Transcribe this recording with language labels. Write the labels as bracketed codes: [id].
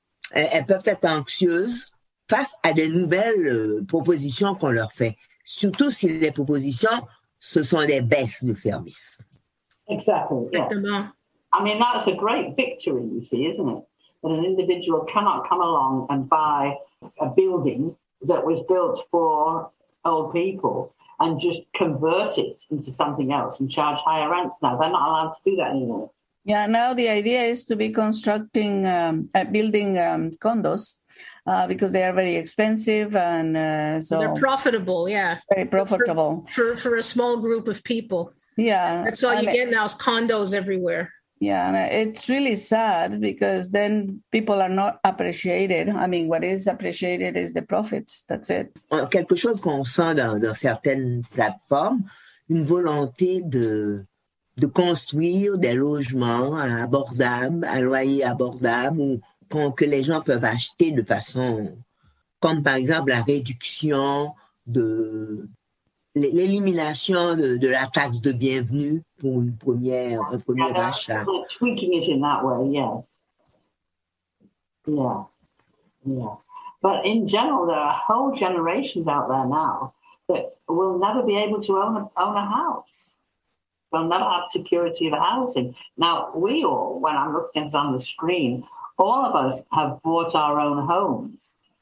[fr] elles peuvent être anxieuses face à des nouvelles propositions qu'on leur fait, surtout si les propositions, ce sont des baisses de services. Exactement. [en] I mean, that's a great victory, you see, isn't it? That an individual cannot come along and buy a building that was built for old people and just convert it into something else and charge higher rents. Now they're not allowed to do that anymore. Yeah, now the idea is to be constructing condos because they are very expensive and so they're profitable. Yeah, very profitable for a small group of people. Yeah, that's all you get now is condos everywhere. Yeah, it's really sad because then people are not appreciated. I mean, what is appreciated is the profits. That's it. [fr] Quelque chose qu'on sent dans certaines plateformes, une volonté de construire des logements abordables, à loyer abordable, ou que les gens peuvent acheter de façon, comme par exemple la réduction de l'élimination de la taxe de bienvenue pour un premier yeah, achat. [en] Tweaking it in that way, yes. Yeah, yeah. But in general, there are whole generations out there now that will never be able to own a house. They'll never have security of housing. Now, we all, when I'm looking at it on the screen, all of us have bought our own homes.